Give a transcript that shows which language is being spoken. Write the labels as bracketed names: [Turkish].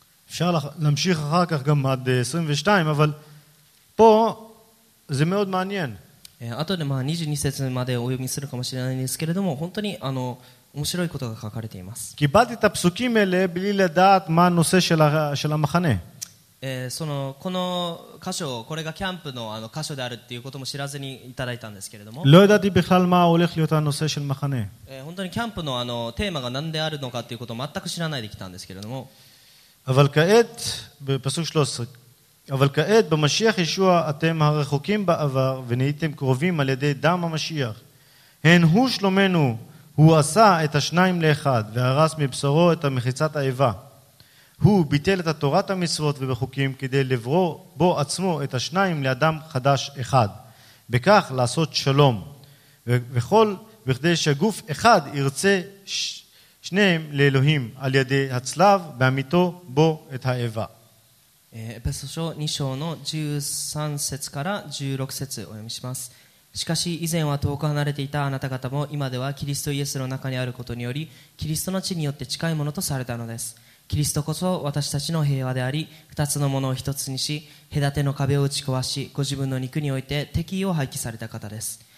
[Hebrew] אפשר להמשיך אחר כך גם עד 22, אבל פה זה מאוד מעניין. [Japanese] 後でまあ22節までお読みするかもしれないんですけれども、本当に面白いことが書かれています。 [Hebrew] קיבלתי את הפסוקים האלה בלי לדעת מה הנושא של המחנה. [Japanese] この箇所、これがキャンプの箇所であるっていうことも知らずにいただいたんですけれども。 [Hebrew] לא ידעתי בכלל מה הולך להיות הנושא של המחנה. [Japanese] 本当にキャンプのテーマが何であるのかっていうことを全く知らないで来たんですけれども。 [Hebrew] אבל כעת בפסוק 13 אבל כעת במשיח ישוע אתם הרחוקים בעבר ונהייתם קרובים על ידי דם המשיח הן הוא שלומנו הוא עשה את השניים לאחד והרס מבשרו את המחיצת האיבה הוא ביטל את התורת המצוות ובחוקים כדי לברוא בו עצמו את השניים לאדם חדש אחד בכך לעשות שלום וכל בכדי שגוף אחד ירצה שניהם לאלוהים על ידי הצלב בעמיתו בו את האיבה. [Japanese] エペソ書2章の13節から16節お読みします。しかし以前は遠く離れていたあなた方も今ではキリストイエスの中にあることによりキリストの血によって近いものとされたのです。キリストこそ私たちの平和であり二つのものを一つにし隔ての壁を打ち壊しご自分の肉において敵意を廃棄された方です。